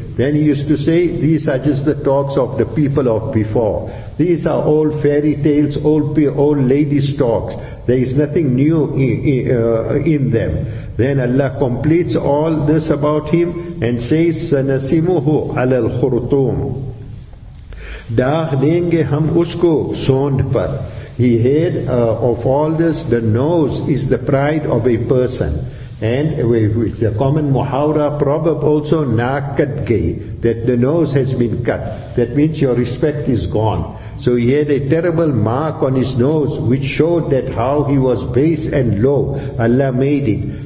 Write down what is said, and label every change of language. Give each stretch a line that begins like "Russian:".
English: Then he used to say, these are just the talks of the people of before. These are old fairy tales, old ladies' talks. There is nothing new in them. Then Allah completes all this about him and says,
Arabic: سَنَسِمُهُ عَلَى الْخُرْطُومُ.
Urdu: داغ دیں گے ہم اس کو سونڈ پر.
English: He had, of all this, the nose is the pride of a person. And with the common muhawra proverb also,
Urdu: na kat gay,
English: that the nose has been cut. That means your respect is gone. So he had a terrible mark on his nose, which showed that how he was base and low. Allah made it.